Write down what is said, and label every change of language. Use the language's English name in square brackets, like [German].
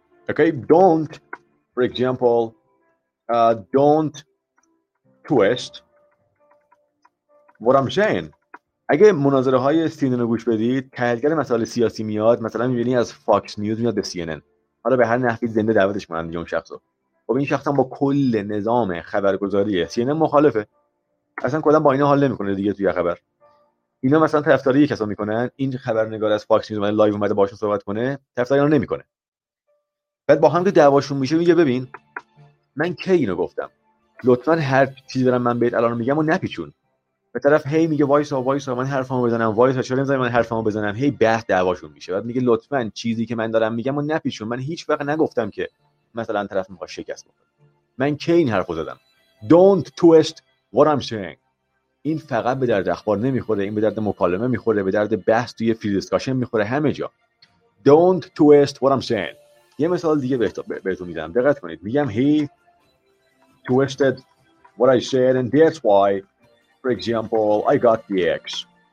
[English] Okay, don't, for example, don't twist what I'm saying. [Persian] اگه مناظره های CNN رو گوش بدید، تحلیلگر مسائل سیاسی میاد، مثلا میبینی از فاکس نیوز میاد به CNN. حالا به هر نحوی زنده دعوتش کنن دیگه اون شخصو. خب این شخصم با کل نظام خبرگزاری CNN مخالفه، اصلا کلا با اینا حال نمیکنه دیگه توی خبر. اینا مثلا طرفداری یک کسا میکنن، این خبرنگار از فاکس نیوز لایو اومده باهاشون صحبت کنه، طرفداری اون نمیکنه. بعد با هم که دعواشون میشه میگه ببین من کی اینو گفتم، لطفا هر چیزی دارم من بهت الان میگم و نپیچون. به طرف هی میگه وایس او وایس او من حرفامو بزنم، وایس چرا نمیذاری من حرفامو بزنم، هی بحث دعواشون میشه. بعد میگه لطفا چیزی که من دارم میگم و نپیچون، من هیچ وقت نگفتم که مثلا طرف میخواد شکست بخوره. من کی این حرفو زدم؟ [English] Don't twist what I'm saying. [Persian] این فقط به درد اخبار نمیخوره، این به درد مکالمه میخوره، به درد بحث توی فیلد دیسکشن میخوره، همه جا. [English] Don't twist what I'm saying. [Persian] یه مثال دیگه بهتون میدم. دقت کنید. میگم [English] he twisted what I said and that's why for example I got the X.